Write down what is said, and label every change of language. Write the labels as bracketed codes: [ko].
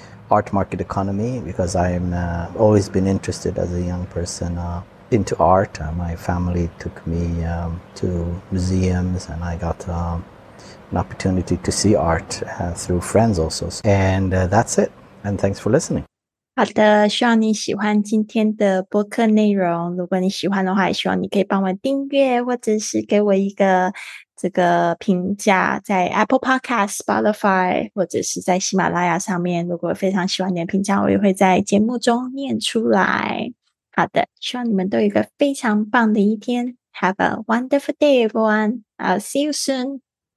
[en] Art market economy, because I'm always been interested as a young person into art. My family took me to museums, and I got an opportunity to see art through friends also. And that's it. And thanks for listening. [zh] 好的，希望你喜欢今天的播客内容。如果你喜欢的话，也希望你可以帮我订阅，或者是给我一个这个评价，在 Apple Podcast、Spotify 或者是在喜马拉雅上面。如果非常喜欢你的评价，我也会在节目中念出来。好的，希望你们都有一个非常棒的一天。 [en] Have a wonderful day, everyone. I'll see you soon.